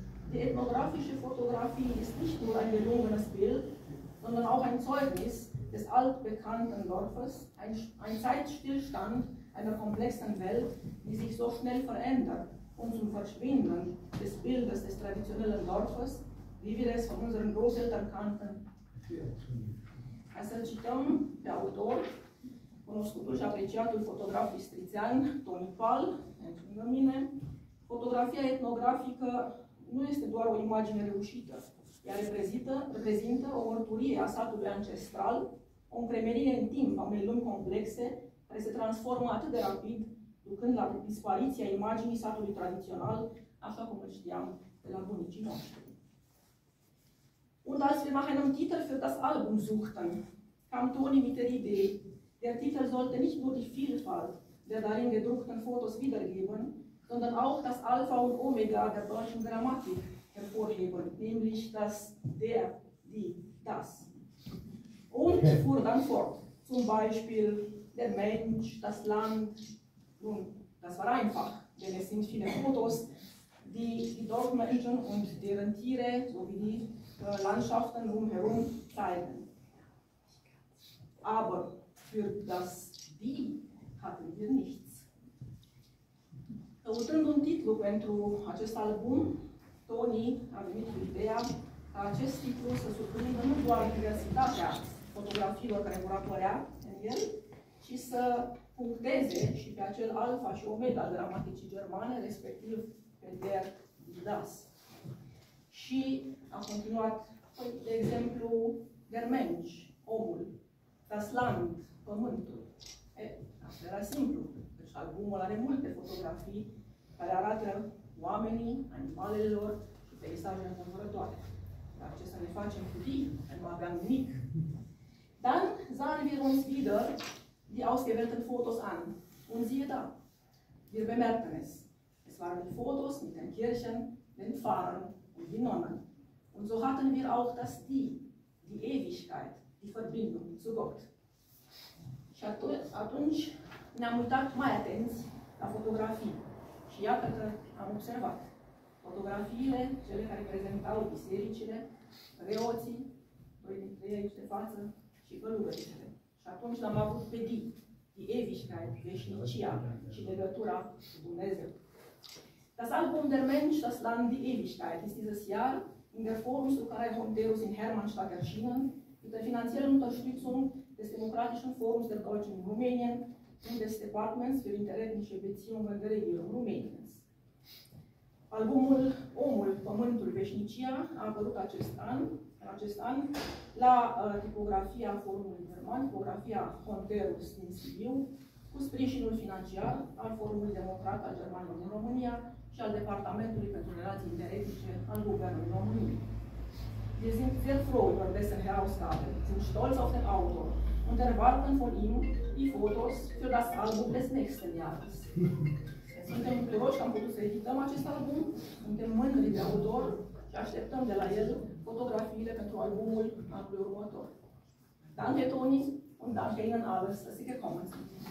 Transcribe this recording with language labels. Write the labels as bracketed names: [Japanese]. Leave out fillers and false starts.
[German] Die ethnografische Fotografie ist nicht nur ein gelungenes Bild, sondern auch ein Zeugnis des altbekannten Dorfes, ein Zeitstillstand einer komplexen Welt, die sich so schnell verändert und zum Verschwinden des Bildes des traditionellen Dorfes, wie wir es von unseren Großeltern kannten, führt. [Romanian] Să-l cităm pe autor, cunoscutul și apreciatul fotograf istrițean, Tony Pall, lângă mine, fotografia etnografică nu este doar o imagine reușită, ea reprezintă o mărturie a satului ancestral, o împremerire în timp a unei lumi complexe care se transformă atât de rapid, ducând la dispariția imaginii satului tradițional, așa cum îl știam de la bunicii noștri. [German] Und als wir nach einem Titel für das Album suchten, kam Toni mit der Idee, der Titel sollte nicht nur die Vielfalt der darin gedruckten Fotos wiedergeben, sondern auch das Alpha und Omega der deutschen Grammatik hervorheben, nämlich das der, die, das. Und fuhr dann fort. Zum Beispiel der Mensch, das Land. Nun, das war einfach, denn es sind viele Fotos, die die Dorfmenschen und deren Tiere sowie die Landschaften drumherum zeigen. Aber für das Die hatten wir nichts. [Romanian] Căutând un titlu pentru acest album, Tony a venit cu ideea ca acest titlu să surprindă nu doar diversitatea fotografiilor care vor apărea în el, ci să puncteze și pe acel alfa și omega dramaticii germane, respectiv pe der, das. Și a continuat, de exemplu, der Mensch, omul, das Land, pământul. Asta era simplu, deci albumul are multe fotografii care arată oamenii, animalele lor și peisajele înconjurătoare. Dar ce să ne facem cu ei, că nu aveam nimic. [German] Dann sahen wir uns wieder die ausgewählten Fotos an. Und siehe da, wir bemerkten es. Es waren die Fotos mit den Kirchen, den Pfarrern und den Nonnen. Und so hatten wir auch das Die, die Ewigkeit, die Verbindung zu Gott. [Romanian] Și atunci ne-am uitat mai atenți la fotografii. Și iată că am observat. Fotografiile, cele care prezentau bisericile, reoții, doi dintre ei aici de față, și călugărițele. Și atunci l-am avut pe Di, die Ewigkeit, veșnicia și legătura cu Dumnezeu. [German] Das Album der Mensch, das Land, die Ewigkeit ist dieses Jahr in der Form zu Karajonteus in Hermannstadt erschienen, mit der finanziellen Unterstützung des Demokratischen Forums der Deutschen in Rumänien und des Departments für interethnische Beziehungen der Regierung Rumäniens. [Romanian] Albumul Omul, Pământul, Veșnicia a apărut acest an, în acest an la tipografia Forumului German, tipografia Honterus din Sibiu, cu sprijinul financiar al Forumului Democrat al Germaniei din România și al Departamentului pentru Relații Interetice al Guvernului României. [German] Wir sind sehr froh über diese Herausgabe, sind stolz auf den Autor und erwarten von ihm die Fotos für das Album des nächsten Jahres. [Romanian] Suntem bucuroși că am putut să edităm acest album, suntem mândri de autor și așteptăm de la el fotografiile pentru albumul anului următor. [German] Danke Toni und danke Ihnen alles, dass Sie gekommen sind.